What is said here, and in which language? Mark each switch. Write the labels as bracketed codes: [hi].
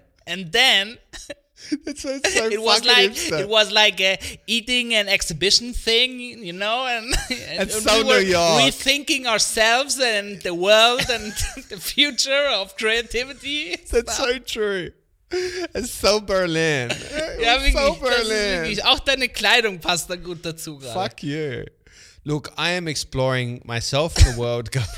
[en] And then it's so it was like hipster. It was like a eating and exhibition thing, you know, and so we were New York. Rethinking ourselves and the world and the future of creativity. That's so true. It's so Berlin. [de] Ja, wirklich, so Berlin. Wirklich, auch deine Kleidung passt da gut dazu gerade. [en] Fuck you. Look, I am exploring myself in the world.